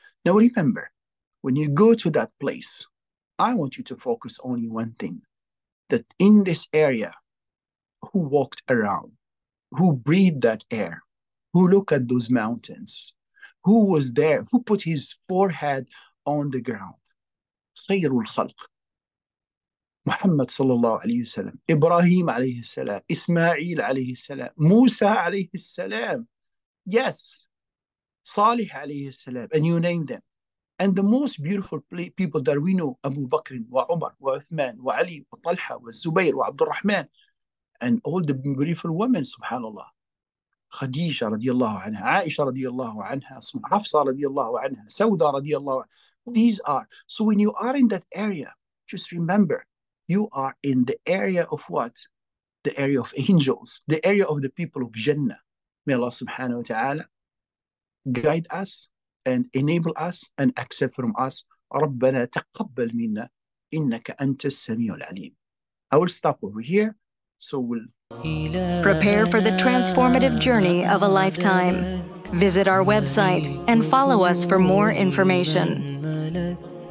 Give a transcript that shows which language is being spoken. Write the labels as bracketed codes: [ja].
[en] Now remember, when you go to that place, I want you to focus only one thing, that in this area, who walked around, who breathed that air, who looked at those mountains, who was there, who put his forehead on the ground? [ar] خير الخلق محمد صلى الله عليه وسلم إبراهيم عليه السلام إسماعيل عليه السلام موسى عليه السلام yes صالح عليه السلام [en] and you name them and the most beautiful people that we know [ar] أبو بكر وعمر وعثمان وعلي وطلحة والزبير وعبد الرحمن [en] and all the beautiful women [ar] سبحان الله خديجة رضي الله عنها عائشة رضي الله عنها حفصة رضي الله عنها سودة رضي الله عنها [en] These are. So when you are in that area, just remember, you are in the area of what? The area of angels, the area of the people of Jannah. May Allah subhanahu wa ta'ala guide us and enable us and accept from us. [ar] رَبَّنَا تَقَبَّلْ مِنَّا إِنَّكَ أَنْتَ السَّمِيعُ الْعَلِيمُ [en] I will stop over here. So we'll... Prepare for the transformative journey of a lifetime. Visit our website and follow us for more information. Like